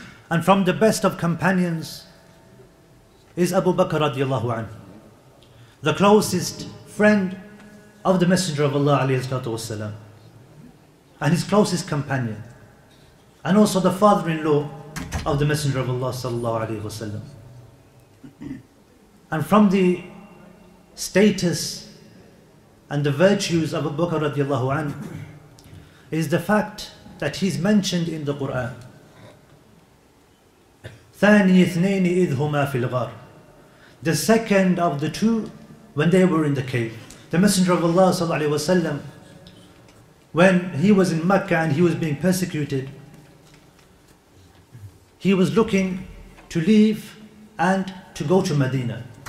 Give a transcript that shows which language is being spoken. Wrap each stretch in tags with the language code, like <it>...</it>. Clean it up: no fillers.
<en>And from the best of companions is Abu Bakr radiallahu anhu, the closest friend of the Messenger of Allah alayhi salatu wasalam, and his closest companion, and also the father-in-law of the Messenger of Allah sallallahu alayhi wa sallam. And from the status and the virtues of Abu Bakr radiallahu anhu is the fact that he's mentioned in the Quran.</en> <ar>ثاني اثنين إذ هما في الغار.</ar> <en>The second of the two when they were in the cave. The Messenger of Allah sallallahu alayhi wa sallam, when he was in Mecca and he was being persecuted, he was looking to leave and to go to Medina.</en>